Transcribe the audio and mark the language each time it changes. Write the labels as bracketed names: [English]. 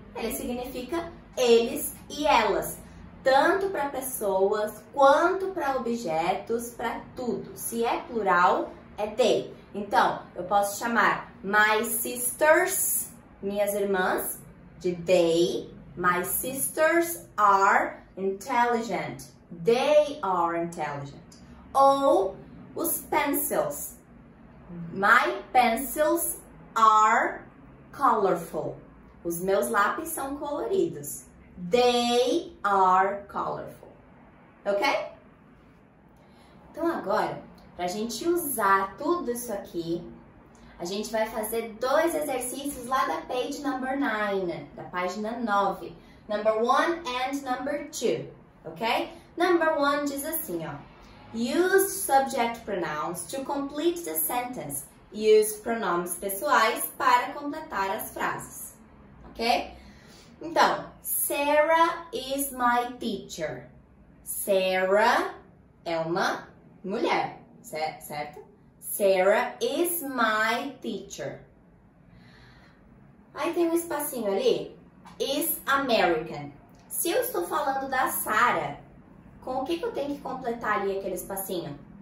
[Portuguese] Ele significa eles e elas. Tanto para pessoas, quanto para objetos, para tudo. Se é plural, é they. Então, eu posso chamar [English] my sisters, [Portuguese] minhas irmãs, de they. [English] My sisters are intelligent. They are intelligent. [Portuguese] Ou os pencils. [English] My pencils are colorful. [Portuguese] Os meus lápis são coloridos. [English] They are colorful. [Portuguese] Ok? Então agora, para a gente usar tudo isso aqui, a gente vai fazer dois exercícios lá da [English] page number 9, [Portuguese] da página 9. [English] Number 1 and number 2, ok? Number 1 [Portuguese] diz assim, ó. [English] Use subject pronouns to complete the sentence. [Portuguese] Use pronomes pessoais para completar as frases, ok? Então, [English] Sarah is my teacher. [Portuguese] Sarah é uma mulher, certo? [English] Sarah is my teacher. [Portuguese] Aí tem um espacinho ali. [English] Is American. [Portuguese] Se eu estou falando da Sarah, com o que eu tenho que completar ali aquele espacinho?